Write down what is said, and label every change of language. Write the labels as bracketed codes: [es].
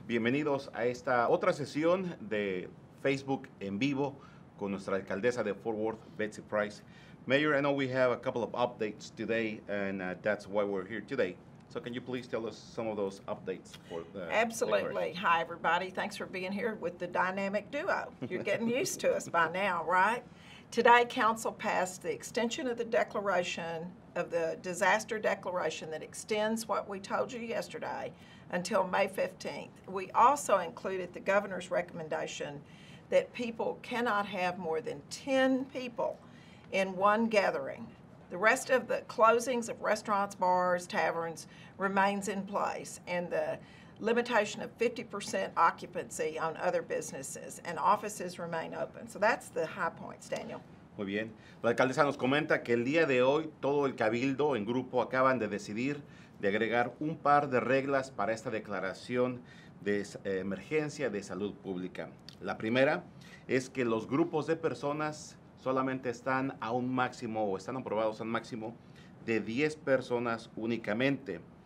[es] Bienvenidos a esta otra sesión de Facebook en vivo con nuestra alcaldesa de Fort Worth, Betsy Price. [en] Mayor, I know we have a couple of updates today, and that's why we're here today. So can you please tell us some of those updates for the Absolutely. Hi, everybody. Thanks for being here with the dynamic duo. You're getting used to us by now, right? Today, Council passed the extension of the declaration of the disaster declaration that extends what we told you yesterday until May 15th. We also included the governor's recommendation that people cannot have more than 10 people in one gathering. The rest of the closings of restaurants, bars, taverns remains in place, and the limitation of 50% occupancy on other businesses and offices remain open. So that's the high points, Daniel. [es] Muy bien. La alcaldesa nos comenta que el día de hoy todo el cabildo en grupo acaban de decidir de agregar un par de reglas para esta declaración de emergencia de salud pública. La primera es que los grupos de personas solamente están a un máximo o están aprobados a un máximo de 10 personas únicamente.